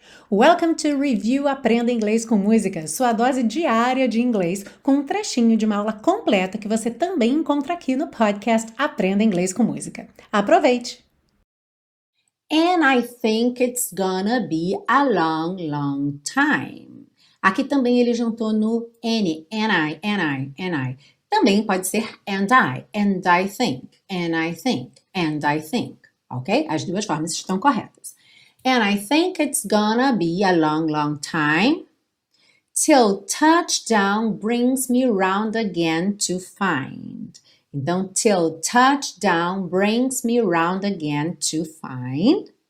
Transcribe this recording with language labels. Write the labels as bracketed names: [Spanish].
[English] Welcome to [Portuguese] Review Aprenda Inglês com Música, sua dose diária de inglês, com um trechinho de uma aula completa que você também encontra aqui no podcast Aprenda Inglês com Música. Aproveite! [English] And I think it's gonna be a long, long time. [Portuguese] Aqui também ele juntou no [English] and I. [Portuguese] Também pode ser [English] and I think. [Portuguese] Ok? As duas formas estão corretas. [English] And I think it's gonna be a long, long time till touchdown brings me round again to find. [Portuguese] Então, [English] till touchdown brings me round again to find.